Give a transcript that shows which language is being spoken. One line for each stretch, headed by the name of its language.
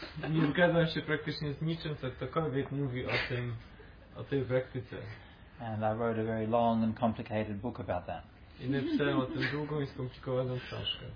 Polish: Nie zgadzam się praktycznie z niczym, co ktokolwiek mówi o tym, o tej praktyce.
English: And I wrote a very long and complicated book about that.
Polish: I napisałem o tym długą i skomplikowaną książkę.